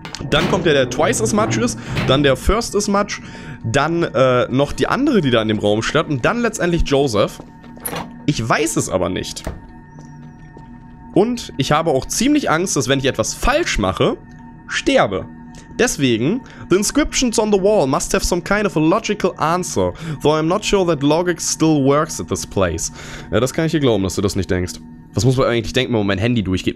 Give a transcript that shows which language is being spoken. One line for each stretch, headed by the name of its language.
German: Dann kommt ja der
English: twice as much
German: ist, dann der
English: first as much,
German: dann noch die andere, die da in dem Raum steht, und dann letztendlich Joseph. Ich weiß es aber nicht. Und ich habe auch ziemlich Angst, dass wenn ich etwas falsch mache, sterbe. Deswegen,
English: the inscriptions on the wall must have some kind of a logical answer, though I'm not sure that logic still works at this place.
German: Ja, das kann ich dir glauben, dass du das nicht denkst. Was muss man eigentlich denken, wenn man mein Handy durchgeht?